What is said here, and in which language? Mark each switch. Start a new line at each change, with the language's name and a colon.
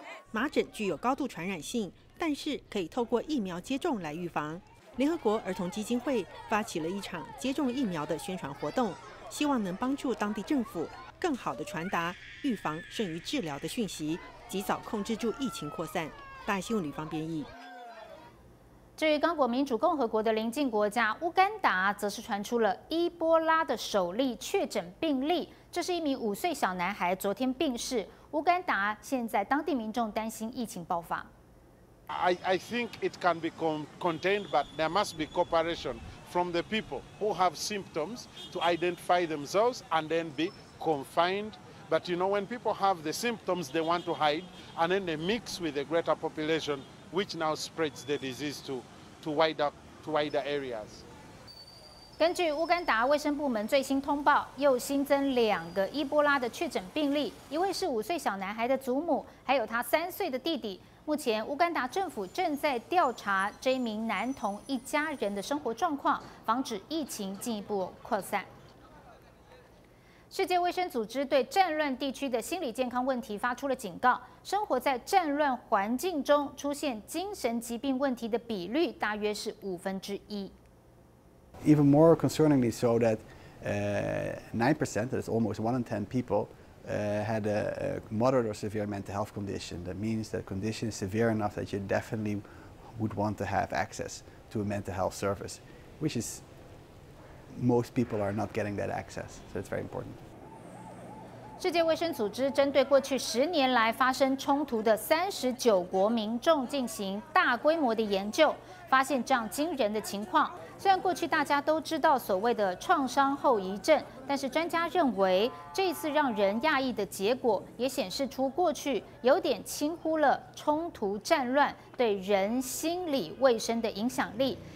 Chinese: 麻疹具有高度传染性，但是可以透过疫苗接种来预防。联合国儿童基金会发起了一场接种疫苗的宣传活动，希望能帮助当地政府更好地传达预防胜于治疗的讯息，及早控制住疫情扩散。大新闻吕芳编译。至于刚果民主共和国的邻近国家乌干达，则是传出了伊波拉的首例确诊病例，这是一名5岁小男孩昨天病逝。乌干达现在当地民众担心疫情爆发。
English: I think it can be contained, but there must be cooperation from the people who have symptoms to identify themselves and then be confined. But you know, when people have the symptoms, they want to hide, and then they mix with the greater population, which now spreads the disease to wider areas.
Chinese: 根据乌干达卫生部门最新通报，又新增2个伊波拉的确诊病例，一位是5岁小男孩的祖母，还有他3岁的弟弟。目前乌干达政府正在调查这名男童一家人的生活状况，防止疫情进一步扩散。世界卫生组织对战乱地区的心理健康问题发出了警告，生活在战乱环境中出现精神疾病问题的比率大约是1/5。
English: Even more concerningly so that 9%, that's almost 1 in 10 people,had a moderate or severe mental health condition. That means that condition is severe enough that you definitely would want to have access to a mental health service, which is most people are not getting that access. So it's very important.
Chinese: 世界卫生组织针对过去10年来发生冲突的39国民众进行大规模的研究，发现这样惊人的情况。虽然过去大家都知道所谓的创伤后遗症，但是专家认为这次让人讶异的结果也显示出过去有点轻忽了冲突战乱对人心理卫生的影响力。